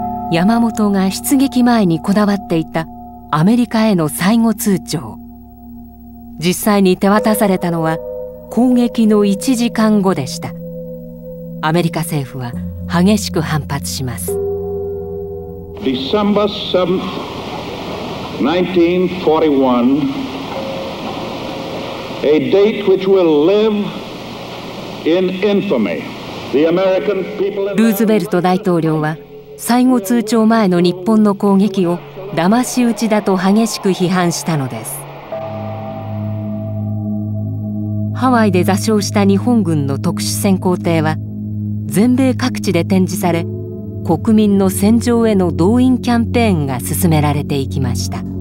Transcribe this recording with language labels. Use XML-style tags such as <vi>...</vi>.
<ja>れ。山本が出撃前にこだわっていたアメリカへの最後通牒、実際に手渡されたのは攻撃の1時間後でした。アメリカ政府は激しく反発します。</ja> <en>December 7, 1941, a date which will live in infamy. The American people.</en> <ja>ルーズベルト大統領は最後通帳前の日本の攻撃を騙し討ちだと激しく批判したのです。ハワイで座礁した日本軍の特殊潜航艇は、全米各地で展示され、国民の戦場への動員キャンペーンが進められていきました。</ja>